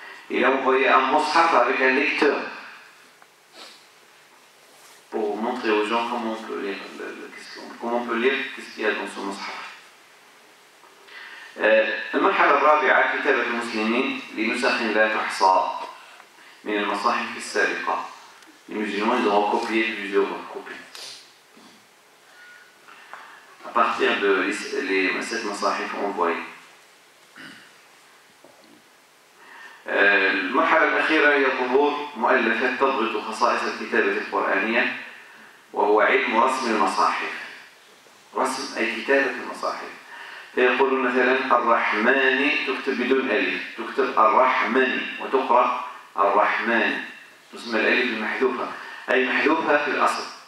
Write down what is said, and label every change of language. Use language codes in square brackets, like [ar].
[fr] Et là, vous voyez un مصحف avec un lecteur pour montrer aux gens comment on peut lire. Comment on peut lire ce qu'il y a dans ce مصحف. [ar] المرحلة الرابعة كتابة المسلمين لنسخ لا تحصى من المصاحف السابقة. [fr] Les musulmans ont recopié plusieurs copies. À partir de les 7 مصاحف envoyées. [ar] المرحلة الأخيرة هي ظهور مؤلفات تضبط خصائص الكتابة القرآنية، وهو علم رسم المصاحف. رسم أي كتابة المصاحف. فيقولون مثلا الرحمن تكتب بدون ألف، تكتب الرحمن وتقرأ الرحمن، تسمى الألف المحذوفة، أي محذوفة في الأصل.